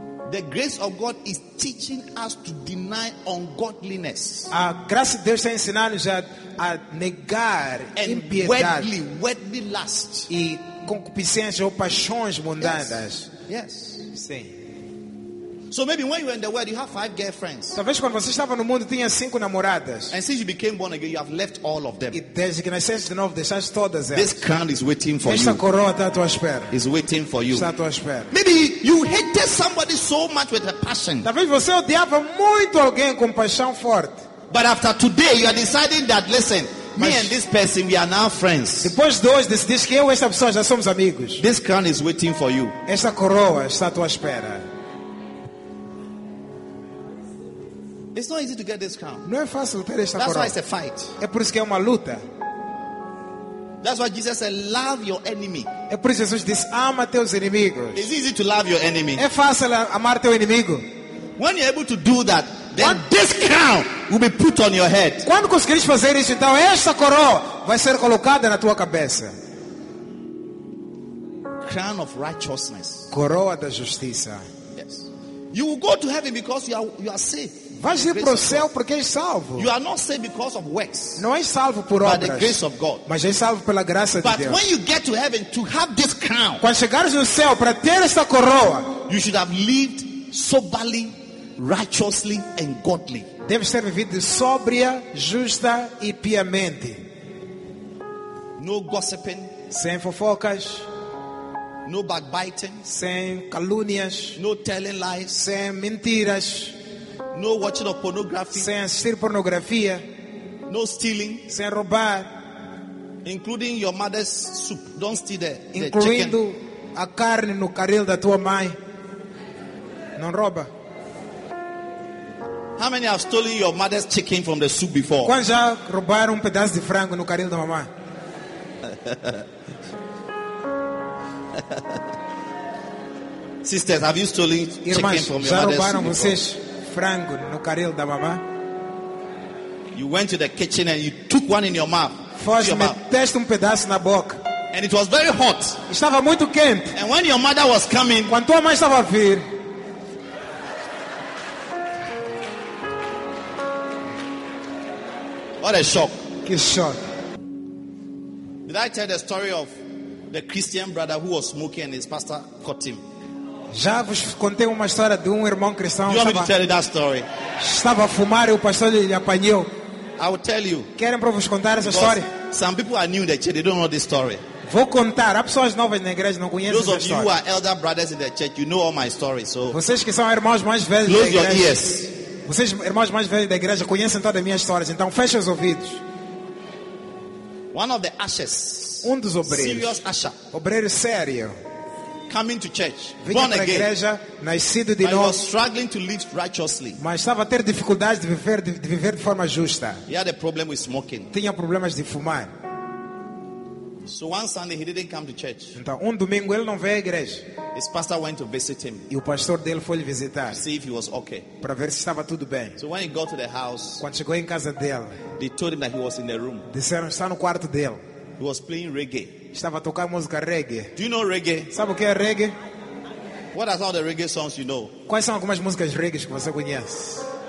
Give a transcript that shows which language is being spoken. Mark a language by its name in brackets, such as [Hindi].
[English] The grace of God is teaching us to deny ungodliness. [Portuguese] A graça de Deus está ensinando-nos a negar impiedade. [English] And worldly lust. [Portuguese] E concupiscência ou paixões mundanas. [English] Yes. [Portuguese] Sim. [English] So maybe when you were in the world, you have 5 girlfriends. [Portuguese] Talvez quando você estava no mundo tinha 5 namoradas. [English] And since you became born again, you have left all of them. [Portuguese] Desde que nasceste de novo, deixaste todas elas. [English] This crown is waiting for you. [Portuguese] Esta coroa está à tua espera. [English] Is waiting for you. [Portuguese] Está à tua espera. [English] Maybe you hated somebody so much with a passion. [Portuguese] Talvez você odiava muito alguém com paixão forte. [English] But after today, you are deciding that listen. Me and this person, we are now friends. [Portuguese] Depois de hoje, decidiste que eu e esta pessoa já somos amigos. [English] This crown is waiting for you. [Portuguese] Esta coroa está à tua espera. [English] It's not easy to get this crown. [Portuguese] Não é fácil ter esta [English] That's [Portuguese] coroa. [English] Why it's a fight. [Portuguese] É por isso que é uma luta. [English] That's why Jesus said, "Love your enemy." [Portuguese] É por isso que Jesus disse, ama teus inimigos. [English] It's easy to love your enemy. [Portuguese] É fácil amar teu inimigo. [English] When you're able to do that, then this crown will be put on your head. [Portuguese] Quando conseguires fazer isso, então esta coroa vai ser colocada na tua cabeça. [English] Crown of righteousness. [Portuguese] Coroa da justiça. [English] Yes. You will go to heaven because you are saved. [Portuguese] Vai ir para o céu porque é salvo. [English] You are not saved because of works, [Portuguese] não é salvo por obras. [English] By the grace of God. [Portuguese] Mas é salvo pela graça [English] but [Portuguese] de Deus. [English] When you get to heaven to have this crown, [Portuguese] quando chegares no céu para ter esta coroa, [English] you should have lived soberly, righteously and godly. [Portuguese] Deve ter vivido sóbria, justa e piamente. [English] No gossiping. [Portuguese] Sem fofocas. [English] No backbiting. [Portuguese] Sem calúnias. [English] No telling lies. [Portuguese] Sem mentiras. [English] No watching of pornography. [Portuguese] Sem assistir pornografia. [English] No stealing. [Portuguese] Sem roubar. [English] Including your mother's soup. Don't steal the chicken. [Portuguese] Incluindo a carne no caril da tua mãe. Não rouba. [English] How many have stolen your mother's chicken from the soup before? [Portuguese] Quantos já roubaram pedaço de frango no caril da mamãe? [English] Sisters, have you stolen chicken [Portuguese] Irmãs, [English] from your mother's soup? [Portuguese] Já roubaram [English] before? [Portuguese] Vocês? Frango no caril da mamã. [English] You went to the kitchen and you took one in your mouth. [Portuguese] First, meteste pedaço na boca. [English] And it was very hot. [Portuguese] Estava muito quente. [English] And when your mother was coming, [Portuguese] quando tua mãe estava a vir, [English] what a shock! [Portuguese] Que shock! [English] Did I tell the story of the Christian brother who was smoking and his pastor caught him? [Portuguese] Já vos contei uma história de irmão cristão. [English] You want me to tell you that story? [Portuguese] Estava a fumar e o pastor lhe apanhou. [English] I will tell you. [Portuguese] Querem para vos contar essa história? [English] Some people are new in the church, they don't know this story. [Portuguese] Vou contar. Há pessoas novas na igreja não conhecem [English] Those [Portuguese] essa história. [English] Those of you who are elder brothers in the church, you know all my story. So. [Portuguese] Vocês que são irmãos mais velhos [English] Close [Portuguese] da igreja. [English] Close your ears. [Portuguese] Vocês irmãos mais velhos da igreja conhecem todas as minhas histórias. Então fechem os ouvidos. [English] One of the ushers. [Portuguese] Dos obreiros. [English] Serious usher. [Portuguese] Obreiro sério. [English] Coming to church, [Portuguese] vinha [English] born [Portuguese] para a igreja, [English] again, [Portuguese] nascido de [English] but [Portuguese] novo, [English] he was struggling to live righteously. [Portuguese] Mas estava a ter dificuldades de viver de forma justa. [English] He had a problem with smoking. [Portuguese] Tinha problemas de fumar. [English] So one Sunday he didn't come to church. [Portuguese] Então domingo ele não veio à igreja. [English] His pastor went to visit him. [Portuguese] E o pastor dele foi lhe visitar. [English] See if he was okay. [Portuguese] Para ver se estava tudo bem. [English] So when he got to the house, [Portuguese] quando chegou em casa dele, [English] they told him that he was in the room. [Portuguese] Disseram que estava no quarto dele. [English] He was playing reggae. [Portuguese] Estava a tocar música reggae. [English] Do you know reggae? [Portuguese] Sabe o que é reggae? [English] What are all the reggae songs you know? [Portuguese] Quais são algumas músicas reggae que você conhece?